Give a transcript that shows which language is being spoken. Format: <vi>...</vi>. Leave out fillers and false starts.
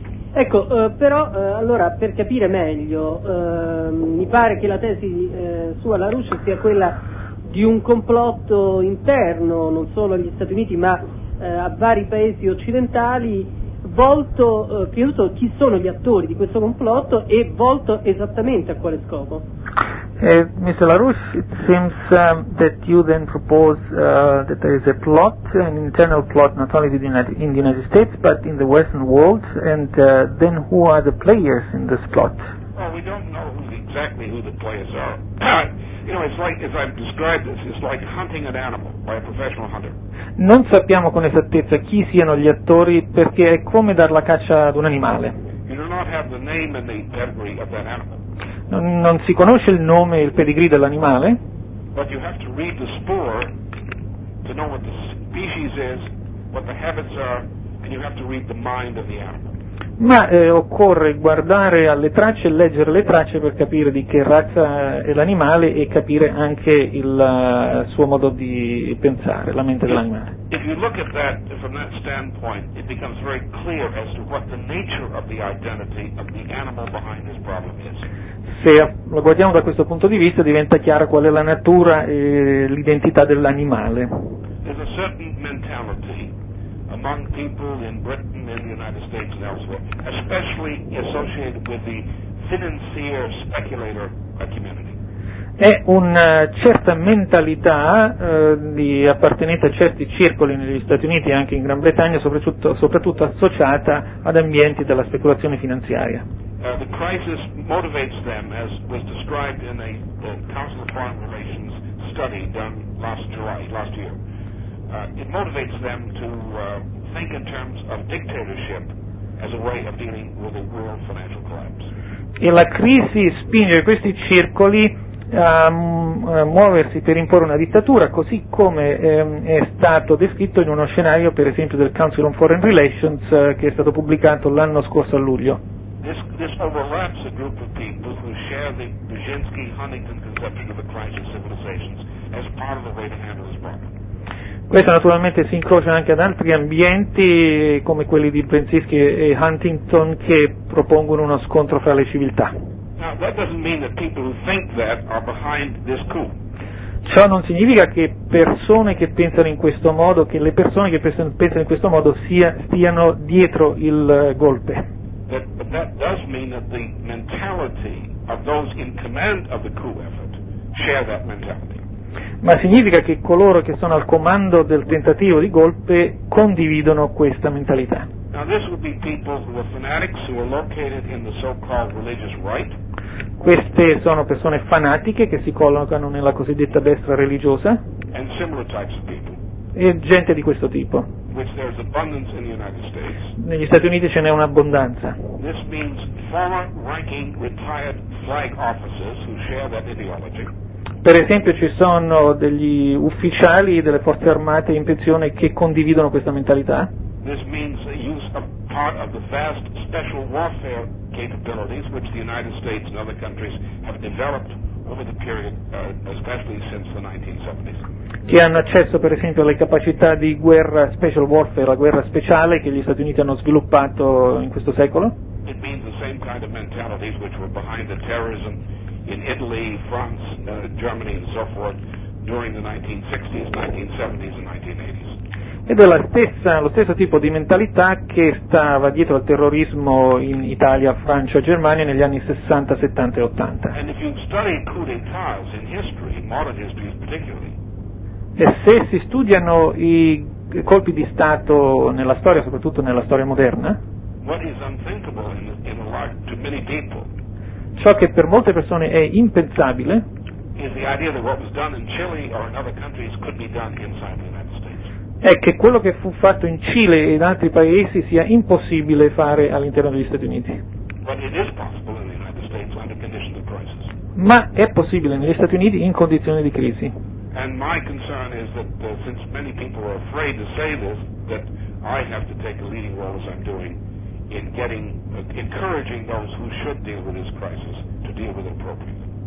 <it>Ecco, però allora per capire meglio, mi pare che la tesi sua, la Russia, sia quella di un complotto interno, non solo agli Stati Uniti, ma a vari paesi occidentali, volto, prima di tutto, chi sono gli attori di questo complotto e volto esattamente a quale scopo?</it> <en>Mr. LaRouche, it seems that you then propose that there is a plot, an internal plot, not only in the United States, but in the Western world, and then who are the players in this plot? Well, we don't know exactly who the players are. You know, it's like, as I've described this, it's like hunting an animal by a professional hunter.</en> <it>Non sappiamo con esattezza chi siano gli attori, perché è come dar la caccia ad un animale.</it> <en>You do not have the name and the pedigree of that animal.</en> <it>Non si conosce il nome e il pedigree dell'animale.</it> <en>But you have to read the spore to know what the species is, what the habits are, and you have to read the mind of the animal.</en> <it>Ma occorre guardare alle tracce e leggere le tracce per capire di che razza è l'animale e capire anche il suo modo di pensare, la mente dell'animale.</it> <en>If you look at that from that standpoint, it becomes very clear as to what the nature of the identity of the animal behind this problem is.</en> <it>Se lo guardiamo da questo punto di vista, diventa chiaro qual è la natura e l'identità dell'animale.</it> <en>There's a certain mentality among people in Britain, in the United States and elsewhere, especially associated with the financier speculator community.</en> <it>È una certa mentalità di appartenenza a certi circoli negli Stati Uniti e anche in Gran Bretagna, soprattutto associata ad ambienti della speculazione finanziaria.</it> <en>The crisis motivates them, as was described in a Council of Foreign Relations study done last year. It motivates them to think in terms of dictatorship as a way of dealing with a world financial collapse.</en> <it>E la crisi spinge questi circoli a muoversi per imporre una dittatura, così come è stato descritto in uno scenario, per esempio, del Council on Foreign Relations, che è stato pubblicato l'anno scorso a luglio.</it> <en>this overlaps a group of people who share the Brzezinski-Huntington conception of the crisis civilizations as part of the way to handle this problem.</en> <it>Questo naturalmente si incrocia anche ad altri ambienti come quelli di Brzezinski e Huntington che propongono uno scontro fra le civiltà.</it> <en>Now, that doesn't mean that people who think that are behind this coup.</en> <it>Ciò non significa che persone che pensano in questo modo, che le persone che pensano in questo modo stiano dietro il golpe.</it> <en>That does mean that the mentality of those in command of the coup effort share that mentality.</en> <it>Ma significa che coloro che sono al comando del tentativo di golpe condividono questa mentalità.</it> <en>Now this would be people who are fanatics who are located in the so-called religious right.</en> <it>Queste sono persone fanatiche che si collocano nella cosiddetta destra religiosa.</it> <en>And similar types of people.</en> <it>E gente di questo tipo.</it> <en>Which there's abundance in the United States.</en> <it>Negli Stati Uniti ce n'è un'abbondanza.</it> <en>This means former ranking retired flag officers who share that ideology.</en> <it>Per esempio ci sono degli ufficiali delle forze armate in pensione che condividono questa mentalità.</it> <en>This means the use of part of the vast special warfare capabilities which the United States and other countries have developed over the period, especially since the 1970s.</en> <it>Che hanno accesso per esempio alle capacità di guerra special warfare, la guerra speciale che gli Stati Uniti hanno sviluppato in questo secolo.</it> <en>It means the same kind of mentalities which were behind the terrorism in Italy, France, Germany and so forth during the 1960s, 1970s and 1980s.</en> <it>Ed è lo stesso tipo di mentalità che stava dietro al terrorismo in Italia, Francia, Germania negli anni 60, 70 e 80.</it> <en>And if you study coup d'états in history, modern history particularly,</en> <it>e se si studiano i colpi di Stato nella storia, soprattutto nella storia moderna,</it> <en>what is unthinkable to many people,</en> <it>ciò che per molte persone è impensabile</it> <en>is the idea that what was done in Chile or in other countries could be done inside the United States.</en> <it>È che quello che fu fatto in Cile e in altri paesi sia impossibile fare all'interno degli Stati Uniti.</it> <en>But it is possible in the United States under conditions of crisis.</en> <it>Ma è possibile negli Stati Uniti in condizioni di crisi.</it> <en>And my concern is that since many people are afraid to say this, that I have to take a leading role as I'm doing in getting encouraging those who should deal with this crisis to deal with it appropriately.</en>